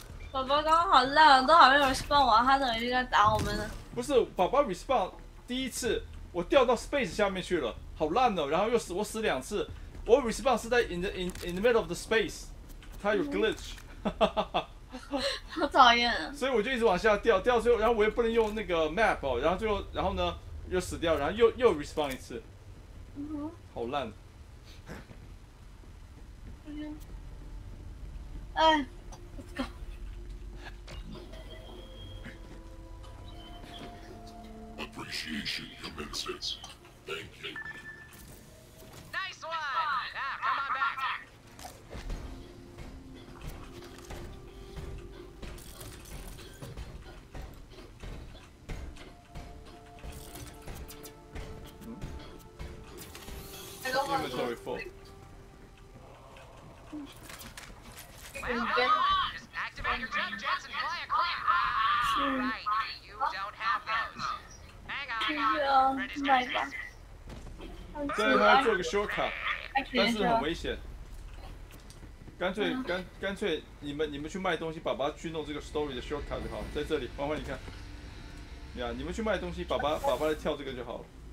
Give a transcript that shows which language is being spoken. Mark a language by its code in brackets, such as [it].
[zh] 宝宝刚刚好烂了，都还没有 respawn 完，他等于就在打我们了。不是，宝宝 respawn 第一次，我掉到 space 下面去了，好烂哦。然后又死，我死两次，我 respawn 是在 [en] in the middle of the space， [zh] 他有 glitch， 哈哈哈哈，好讨厌。所以我就一直往下掉，掉到最后，然后我又不能用那个 map 哦，然后最后，然后呢又死掉，然后又 respawn 一次，好烂。哎。 [en] Appreciation commences. Thank you. Nice one! Ah, come on back! Inventory full. Well, come on! Just activate your jump jets and fly a clean path! Right, you don't have those. [zh] 是啊，买吧。但是他要做个 shortcut， 但是很危险。干脆你们去卖东西，爸爸去弄这个 story 的 shortcut 就好，在这里，欢欢你看，呀，你们去卖东西，爸爸来跳这个就好了。